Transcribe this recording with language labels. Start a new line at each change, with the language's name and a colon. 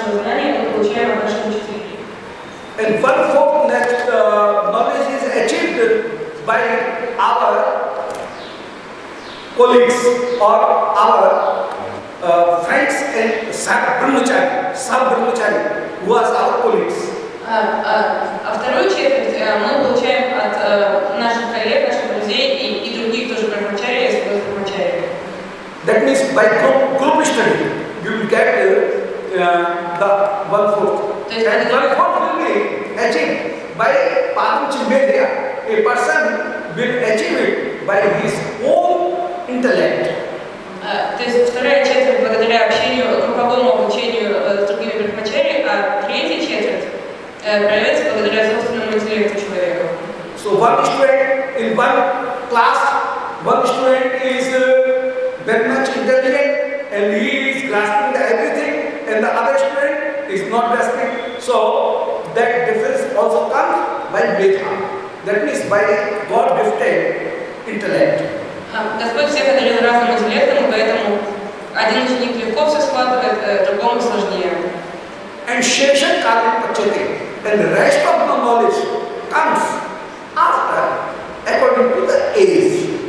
English: And one fourth that knowledge is achieved by our colleagues or our friends and sub-brahmachari, who are our colleagues.
Russian: А вторую четверть мы получаем от наших коллег, наших друзей и других тоже брахмачари, если вы брахмачари.
English: That means by group study you will get the one fourth. And one fourth will be achieved by padam chimbhedhya. A person will achieve it by his own intellect.
Russian: То есть вторая четверть благодаря общению, групповому обучению с другими брахмачари, а третья четверть проявляется благодаря собственному интеллекту человека.
English: So one student in one class, one student is very much intelligent and he is grasping everything, and the other student is not grasping. So that difference also comes by bheda. That means by God gifted intellect.
Russian: Господь всех одарил разным интеллектом, поэтому один ученик легко все схватывает, другому сложнее.
English: And
Sanskrit: Shesham Kalim Pachyate.
English: And the rest of the knowledge comes after, according to the age.